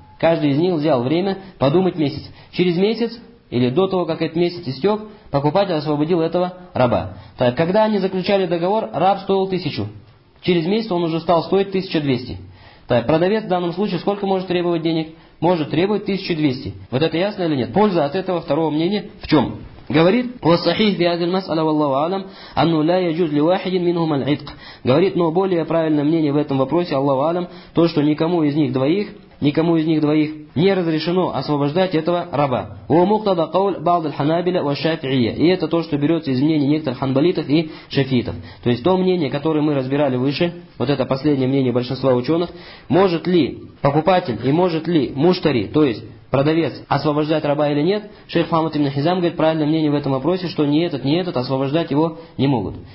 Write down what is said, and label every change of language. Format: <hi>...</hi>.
<ru>Каждый из них взял время подумать месяц. Через месяц или до того, как этот месяц истек, покупатель освободил этого раба. Так, когда они заключали договор, раб стоил 1000. Через месяц он уже стал стоить 1200. Так, продавец в данном случае сколько может требовать денег? Может требовать 1200. Вот это ясно или нет? Польза от этого второго мнения в чем? Говорит,</ru> <ar>والصحيح في هذه المسألة والله أعلم أنه لا يجوز لواحد منهم العتق.</ar> <ru>Говорит, но более правильное мнение в этом вопросе, Аллаху Алам, то, что никому из них двоих не разрешено освобождать этого раба.</ru> <ar>ومقتضى قول بعض الحنابلة والشافعية.</ar> <ru>И это то, что берется из мнения некоторых ханбалитов и шафиитов. То есть то мнение, которое мы разбирали выше, вот это последнее мнение большинства ученых, может ли покупатель и может ли муштари, то есть продавец, освобождать раба или нет, шейх Мухаммад ибн Хизам говорит правильное мнение в этом вопросе, что ни этот освобождать его не могут.</ru>